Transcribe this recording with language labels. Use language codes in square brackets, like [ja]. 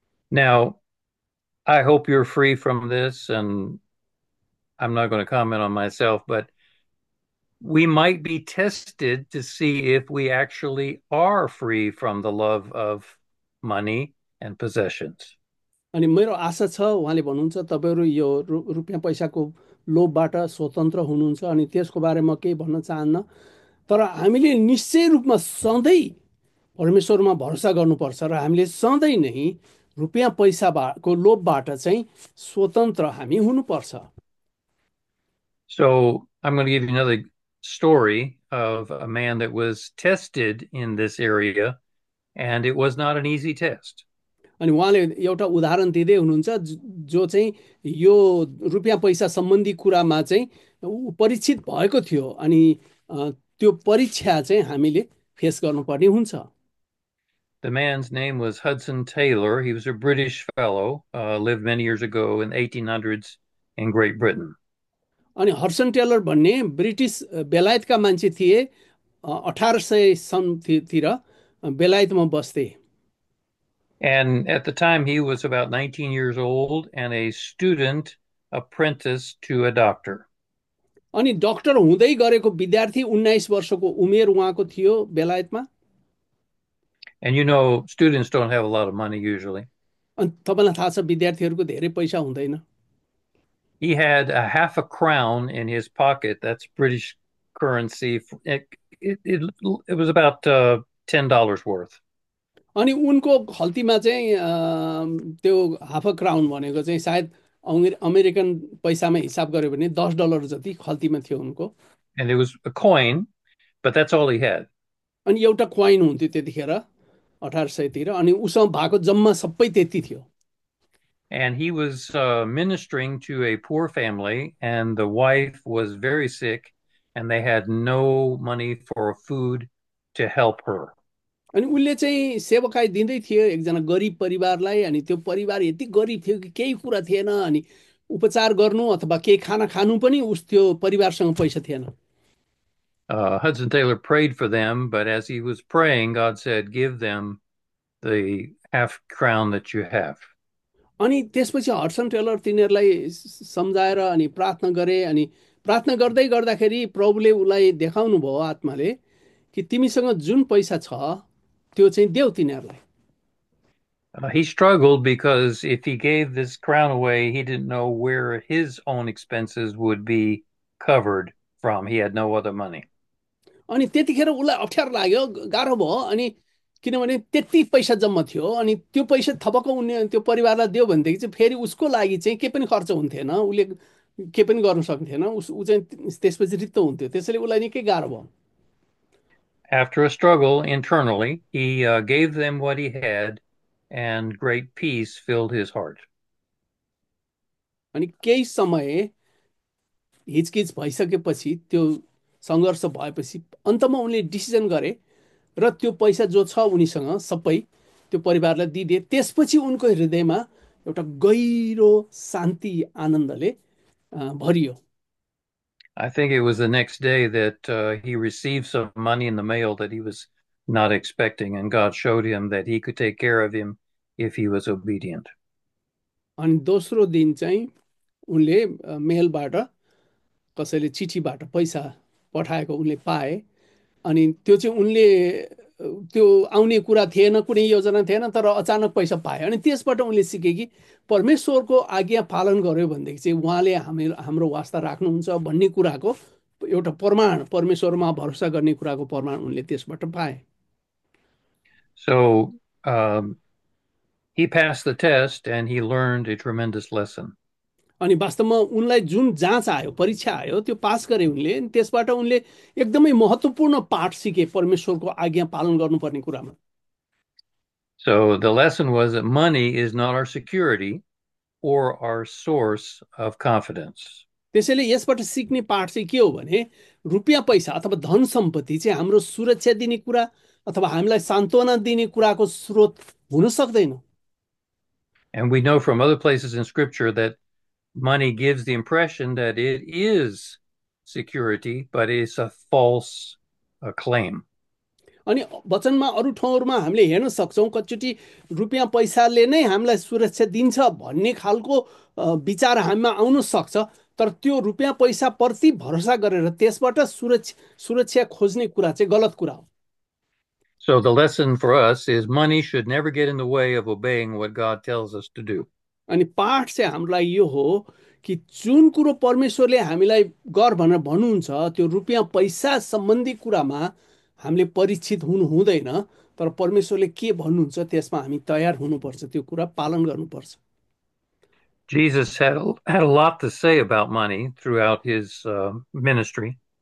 [en] Now, I hope you're free from this, and I'm not going to comment on myself, but we might be tested to see if we actually are free from the love of money and possessions. [ne] अनि मेरो आशा छ, उहाँले भन्नुहुन्छ तपाईँहरू यो रुपियाँ पैसाको लोभबाट स्वतन्त्र हुनुहुन्छ, अनि त्यसको बारेमा केही भन्न चाहन्न, तर हामीले निश्चय रूपमा सधैँ परमेश्वरमा भरोसा गर्नुपर्छ र हामीले सधैँ नै रुपियाँ पैसाको लोभबाट चाहिँ स्वतन्त्र हामी हुनुपर्छ। [en] So I'm going to give you another story of a man that was tested in this area, and it was not an easy test. [ne] अनि उहाँले एउटा उदाहरण दिँदै हुनुहुन्छ जो चाहिँ यो रुपियाँ पैसा सम्बन्धी कुरामा चाहिँ परीक्षित भएको थियो, अनि त्यो परीक्षा चाहिँ हामीले फेस गर्नुपर्ने हुन्छ। [en] The man's name was Hudson Taylor. He was a British fellow, lived many years ago in the 1800s in Great Britain. [ne] अनि हर्सन टेलर भन्ने ब्रिटिस बेलायतका मान्छे थिए, 1800 सनतिर बेलायतमा बस्थे। [en] And at the time, he was about 19 years old and a student apprentice to a doctor. [ne] अनि doctor हुँदै गरेको विद्यार्थी 19 वर्षको उमेर उहाँको थियो बेलायतमा। [en] And you know, students don't have a lot of money usually. [ne] अनि तपाईँलाई थाहा छ विद्यार्थीहरूको धेरै पैसा हुँदैन। [en] He had a half a crown in his pocket. That's British currency. It was about $10 worth. [ne] अनि उनको खल्तीमा चाहिँ त्यो हाफ अ क्राउन भनेको चाहिँ सायद अमेरिकन पैसामा हिसाब गर्यो भने $10 जति खल्तीमा थियो उनको। [en] And it was a coin, but that's all he had. [ne] अनि एउटा क्वाइन हुन्थ्यो त्यतिखेर 1800तिर, अनि उसँग भएको जम्मा सबै त्यति थियो। [en] And he was ministering to a poor family, and the wife was very sick, and they had no money for food to help her. [ne] अनि उसले चाहिँ सेवकाई दिँदै थियो एकजना गरिब परिवारलाई, अनि त्यो परिवार यति गरिब थियो कि केही कुरा थिएन, अनि उपचार गर्नु अथवा केही खाना खानु पनि उस त्यो परिवारसँग पैसा थिएन। [en] Hudson Taylor prayed for them, but as he was praying, God said, give them the half crown that you have. [ne] अनि त्यसपछि हर्सन टेलर तिनीहरूलाई सम्झाएर अनि प्रार्थना गरे, अनि प्रार्थना गर्दै गर्दाखेरि प्रभुले उसलाई देखाउनु भयो आत्माले कि तिमीसँग जुन पैसा छ त्यो चाहिँ देऊ तिनीहरूलाई। [en] He struggled because if he gave this crown away, he didn't know where his own expenses would be covered. From. He had no other money. [ne] अनि त्यतिखेर उसलाई अप्ठ्यारो लाग्यो, गाह्रो भयो, अनि किनभने त्यति पैसा जम्मा थियो, अनि त्यो पैसा थपक्क उनी त्यो परिवारलाई दियो भनेदेखि चाहिँ फेरि उसको लागि चाहिँ केही पनि खर्च हुन्थेन, उसले केही पनि गर्न सक्थेन, ऊ चाहिँ त्यसपछि रित्तो हुन्थ्यो, त्यसैले उसलाई निकै गाह्रो भयो। [en] After a struggle internally, he gave them what he had, and great peace filled his heart. [ne] अनि केही समय हिचकिच भइसकेपछि, त्यो सङ्घर्ष भएपछि अन्तमा उनले डिसिजन गरे र त्यो पैसा जो छ उनीसँग सबै त्यो परिवारलाई दिइदिए। त्यसपछि उनको हृदयमा एउटा गहिरो शान्ति आनन्दले भरियो। [en] I think it was the next day that he received some money in the mail that he was not expecting, and God showed him that he could take care of him if he was obedient. [ne] अनि दोस्रो दिन चाहिँ उनले मेलबाट कसैले चिठीबाट पैसा पठाएको उनले पाए, अनि त्यो चाहिँ उनले त्यो आउने कुरा थिएन, कुनै योजना थिएन, तर अचानक पैसा पाए। अनि त्यसबाट उनले सिके कि परमेश्वरको आज्ञा पालन गर्यो भनेदेखि चाहिँ उहाँले हाम्रो वास्ता राख्नुहुन्छ भन्ने कुराको एउटा प्रमाण, परमेश्वरमा भरोसा गर्ने कुराको प्रमाण उनले त्यसबाट पाए। [en] So, he passed the test and he learned a tremendous lesson. [ne] अनि वास्तवमा उनलाई जुन जाँच आयो, परीक्षा आयो, त्यो पास गरे उनले। अनि त्यसबाट उनले एकदमै महत्त्वपूर्ण पाठ सिके परमेश्वरको आज्ञा पालन गर्नुपर्ने कुरामा। [en] So the lesson was that money is not our security or our source of confidence. [ne] त्यसैले यसबाट सिक्ने पाठ चाहिँ के हो भने रुपियाँ पैसा अथवा धन सम्पत्ति चाहिँ हाम्रो सुरक्षा दिने कुरा अथवा हामीलाई सान्त्वना दिने कुराको स्रोत हुन सक्दैन। [en] And we know from other places in scripture that money gives the impression that it is security, but it's a false claim. [ne] अनि वचनमा अरू ठाउँहरूमा हामीले हेर्न सक्छौँ कतिचोटि रुपियाँ पैसाले नै हामीलाई सुरक्षा दिन्छ भन्ने खालको विचार हामीमा आउन सक्छ, तर त्यो रुपियाँ पैसा प्रति भरोसा गरेर त्यसबाट सुरक्षा खोज्ने कुरा चाहिँ गलत कुरा हो। [en] So the lesson for us is money should never get in the way of obeying what God tells us to do. [ne] अनि पाठ चाहिँ हाम्रो लागि यो हो कि जुन कुरो परमेश्वरले हामीलाई गर भनेर भन्नुहुन्छ त्यो रुपियाँ पैसा सम्बन्धी कुरामा हामीले परीक्षित हुनु हुँदैन, तर परमेश्वरले के भन्नुहुन्छ त्यसमा हामी तयार हुनुपर्छ, त्यो कुरा पालन गर्नुपर्छ। [en] Jesus had a lot to say about money throughout his ministry.